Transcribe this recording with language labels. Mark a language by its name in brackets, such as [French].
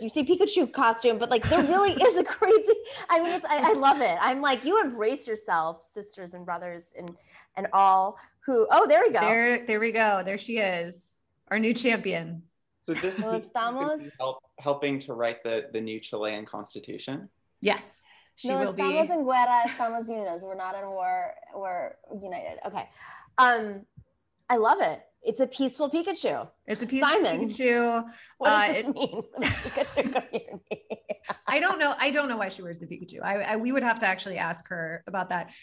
[English] You see Pikachu costume, but like there really is a crazy, I love it. I'm like, you embrace yourself, sisters and brothers and all who, oh, there we go. There we go. There she is, our new champion. So this is helping to write the new Chilean constitution? Yes. [Spanish] Estamos en guerra, estamos unidos. [English] We're not in war, we're united. Okay. I love it. It's a peaceful Pikachu. It's a peaceful Simon, Pikachu. What does this mean? Pikachu community. I don't know why she wears the Pikachu. We would have to actually ask her about that.